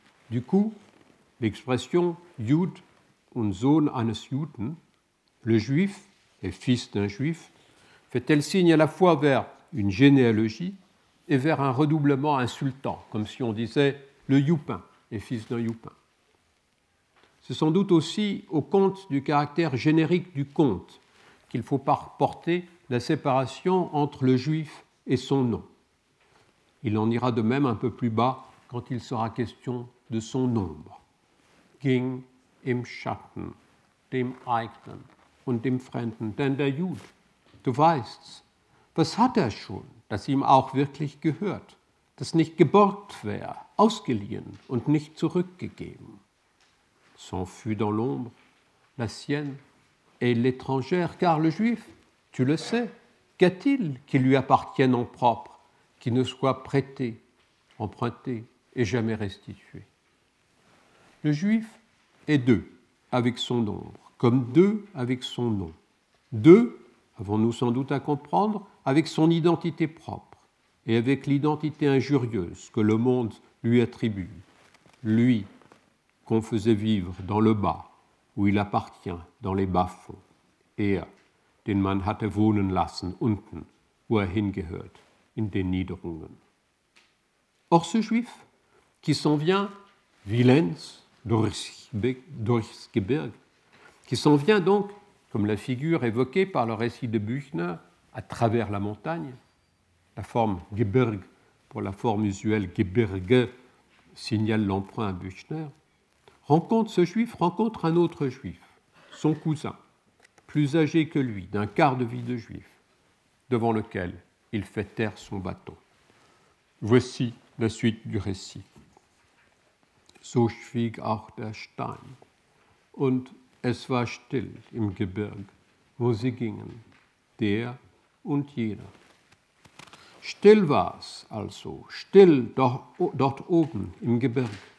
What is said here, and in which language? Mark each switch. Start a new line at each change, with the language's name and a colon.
French: Du coup, l'expression «
German: Jud und Sohn eines Juden
French: », le juif et fils d'un juif, fait-elle signe à la fois vers une généalogie et vers un redoublement insultant, comme si on disait « le youpin est fils d'un youpin ». C'est sans doute aussi au compte du caractère générique du conte qu'il faut porter la séparation entre le juif et son nom. Il en ira de même un peu plus bas quand il sera question de son nombre.
German: Ging im Schatten, dem eigenen und dem Fremden, denn der Jud, du weißt's, was hat schon, das ihm auch wirklich gehört, das nicht geborgt wäre, ausgeliehen und nicht zurückgegeben.
French: S'enfuit dans l'ombre, la sienne et l'étrangère, car le juif, tu le sais, qu'a-t-il qui lui appartienne en propre, qui ne soit prêté, emprunté et jamais restitué? Le juif est deux avec son ombre, comme deux avec son nom. Deux, avons-nous sans doute à comprendre, avec son identité propre et avec l'identité injurieuse que le monde lui attribue. Lui, qu'on faisait vivre dans le bas, où il appartient, dans les bas-fonds.
German: Er, den man hatte wohnen lassen, unten, wo er hingehört, in den Niederungen.
French: Or ce juif, qui s'en vient, Wilens,
German: durchs Gebirg,
French: qui s'en vient donc, comme la figure évoquée par le récit de Büchner, à travers la montagne, la forme Gebirg, pour la forme usuelle Gebirge, signale l'emprunt à Büchner, rencontre ce juif, rencontre un autre juif, son cousin, plus âgé que lui, d'un quart de vie de juif, devant lequel il fait taire son bâton. Voici la suite du récit.
German: So schwieg auch der Stein, und es war still im Gebirg, wo sie gingen, der und jener. Still war's also, still dort oben im Gebirg.